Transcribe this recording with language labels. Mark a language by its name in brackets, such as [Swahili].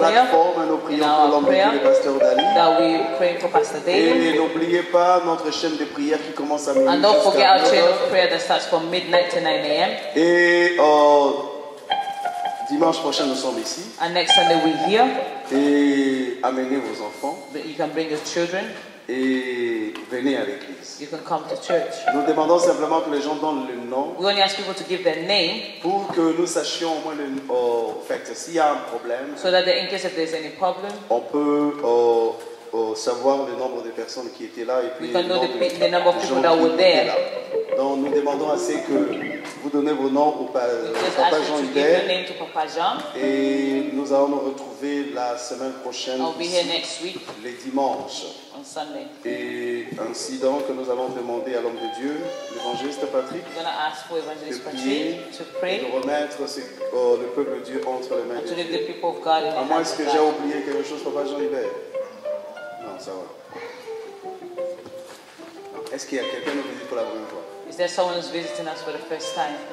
[French] Plateforme, nous prions pour l'envoyer le pasteur Dali. [English] That we pray for Pastor Dali. [French] Et n'oubliez pas notre chaîne de prière qui commence à [English] midnight. And don't forget our chain of prayer that starts from midnight to 9 a.m. [French] Et dimanche prochain, nous sommes ici. [English] And next Sunday, we're here. [French] Et amenez vos enfants. [English] That you can bring your children. [French] Et venez à l'église. [English] You can come to church. [French] Nous demandons simplement que les gens donnent le nom. [English] We only ask people to give their name. [French] Pour que nous sachions au moins le fait s'il y a un problème. [English] So that in case if there's any problem. [French] On peut savoir le nombre de personnes qui étaient là et puis [English] we can know the number of people that were there. [French] Donc nous demandons assez que vous donnez vos noms au Papa Jean Hubert. Et nous allons nous retrouver la semaine prochaine. [English] I'll be here next week. [French] Les dimanches. [English] Sunday. [French] Et ainsi donc, nous allons demander à l'homme de Dieu, l'évangéliste Patrick, [English] we're gonna ask for evangelist [French] de prier [English] Patrick, to pray, [French] et de remettre ce, le peuple de Dieu entre les mains de Dieu. À moins est-ce que j'ai oublié quelque chose, Papa Jean-Hubert? Non, ça va. Est-ce qu'il y a quelqu'un qui nous visite pour la première fois? [English] Is there someone who's visiting us for the first time?